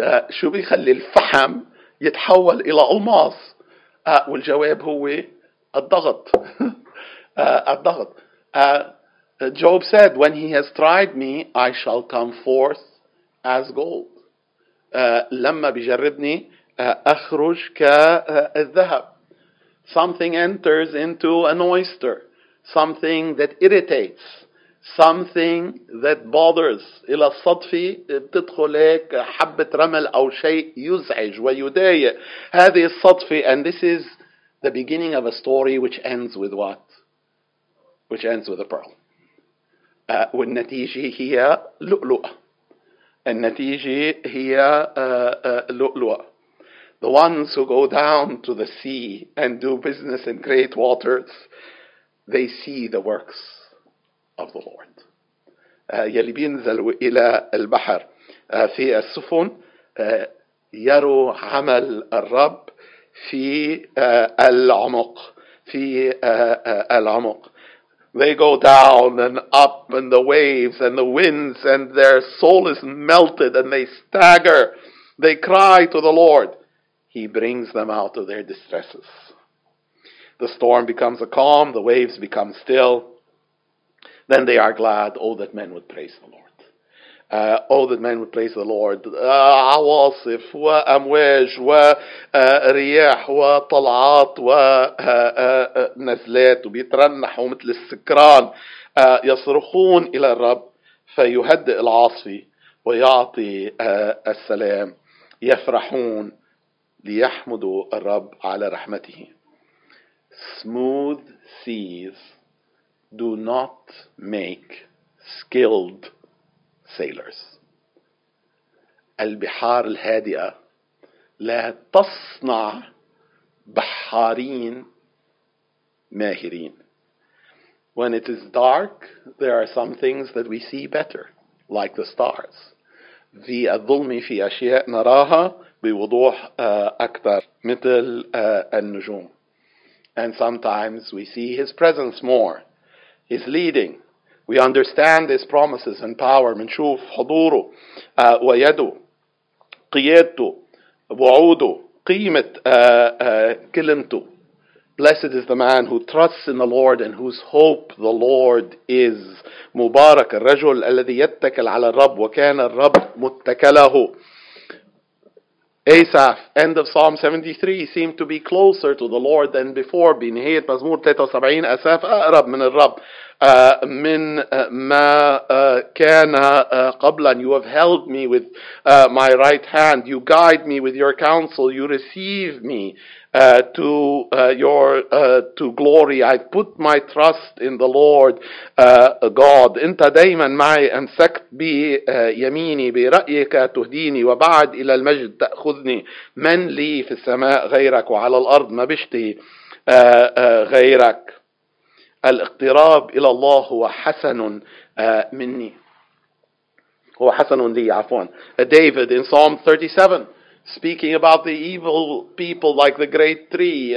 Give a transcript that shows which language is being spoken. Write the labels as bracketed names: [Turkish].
[Arabic] شو بيخلي الفحم يتحول إلى ألماس؟ والجواب هو الضغط. الضغط. [English] Job said, when he has tried me, I shall come forth as gold. [Arabic] لما بيجربني أخرج كالذهب. [English] Something enters into an oyster, something that irritates, something that bothers. [Arabic] إلى الصدفة بتدخل هيك حبة رمل أو شيء يزعج ويضايق. هذه الصدفة, [English] and this is the beginning of a story which ends with what? Which ends with a pearl. [Arabic] والنتيجة هي لؤلؤة. النتيجة هي لؤلؤة. [English] the ones who go down to the sea and do business in great waters, they see the works of the Lord. [Arabic] يلي بينزلوا إلى البحر في السفن يروا عمل الرب في العمق في العمق. [English] They go down and up and the waves and the winds and their soul is melted and they stagger. They cry to the Lord. He brings them out of their distresses. The storm becomes a calm. The waves become still. Then they are glad. Oh, that men would praise the Lord. Oh, that men would praise the Lord. [Arabic] عواصف وأمواج ورياح وطلعات ونزلات وبيترنحوا مثل السكران يصرخون إلى الرب فيهدئ العاصفة ويعطي السلام يفرحون ليحمدوا الرب على رحمته. [English] Smooth seas do not make skilled sailors. [Arabic] البحار الهادئة لا تصنع بحارين ماهرين. [English] When it is dark, there are some things that we see better, like the stars. [Arabic] في الظلم في أشياء نراها بوضوح أكثر مثل النجوم. [English] And sometimes we see his presence more, his leading. We understand his promises and power. [Arabic] منشوف حضوره ويده قيادته وعوده قيمة كلمته. [English] Blessed is the man who trusts in the Lord and whose hope the Lord is. [Arabic] مبارك الرجل الذي يتكل على الرب وكان الرب متكله. [English] Asaph, end of Psalm 73, seemed to be closer to the Lord than before. [Arabic] بنهايه مزمور 73 Asaph اقرب من الرب من ما كان قبلا. [English] You have held me with my right hand. You guide me with your counsel. You receive me to glory. I put my trust in the Lord God. [Arabic] انت دايما معي امسكت بيميني برأيك تهديني وبعد الى المجد تأخذني. من لي في السماء غيرك وعلى الارض ما بشتي غيرك. الاقتراب الى الله هو حسن مني هو حسن لي عفوا. [English] David in Psalm 37 speaking about the evil people like the great tree.